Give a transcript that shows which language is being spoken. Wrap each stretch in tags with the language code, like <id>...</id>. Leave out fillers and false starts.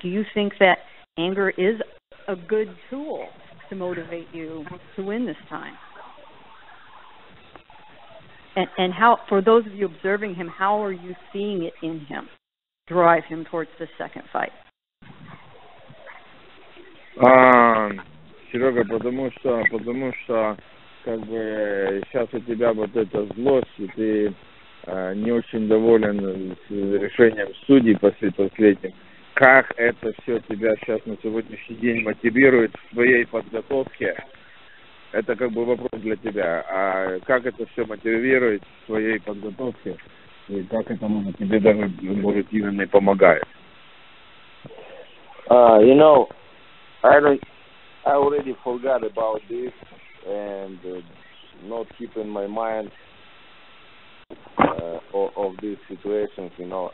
<en>Do you think that anger is a good tool to motivate you to win this time? And how, for those of you observing him, how are you seeing it in him drive him towards the second fight?</en> <ru>Серега, потому что как бы сейчас у тебя вот эта злость, и ты не очень доволен решением судей последним. Как это все тебя сейчас на сегодняшний день мотивирует в твоей подготовке? Это как бы вопрос для тебя. А как это все мотивирует в твоей подготовке? И как это может тебе даже, может, именно и помогает?</ru> <en>You know, I already forgot about this and not keeping my mind of these situations, you know.</en>